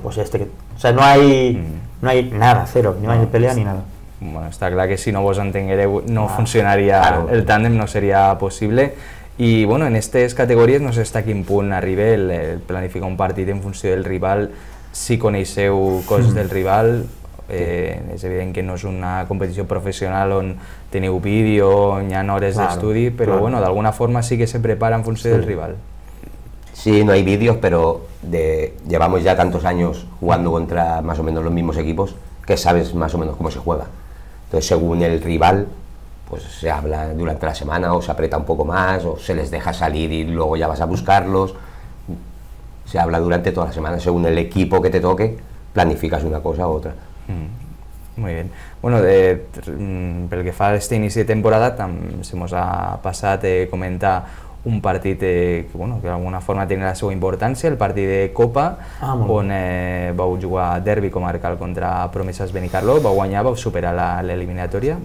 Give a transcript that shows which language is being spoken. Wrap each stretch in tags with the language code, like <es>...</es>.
<es>Pues este. Que, o sea, no hay, no hay nada, cero, no hay ni pelea ni nada. Bueno, está claro que si no</es> <ca>vos entenguereu</ca> <es>no funcionaría, claro. El tándem no sería posible. Y bueno, en estas categorías no sé hasta</es> <ca>quin punt arriba</ca> <es>el planificar un partido en función del rival.</es> <ca>Si coneixeu coses del rival, sí. És evident que no és una competició professional on teniu vídeo, on hi ha hores d'estudi, però bueno, d'alguna forma sí que se prepara en funció del rival.</ca> <es>Sí, no hay vídeos, pero llevamos ya tantos años jugando contra más o menos los mismos equipos que sabes más o menos cómo se juega. Entonces, según el rival, pues se habla durante la semana o se aprieta un poco más o se les deja salir y luego ya vas a buscarlos. Se habla durante toda la semana, según el equipo que te toque, planificas una cosa u otra. Muy bien.</es> <ca>Bueno, pel que fa a este inici de temporada, se mos ha passat comentar un partit que, bueno, que d'alguna forma tenia la seva importància, el partit de Copa, on vau jugar derbi comarcal contra Promeses Benicarló, vau guanyar, vau superar l'eliminatòria.</ca>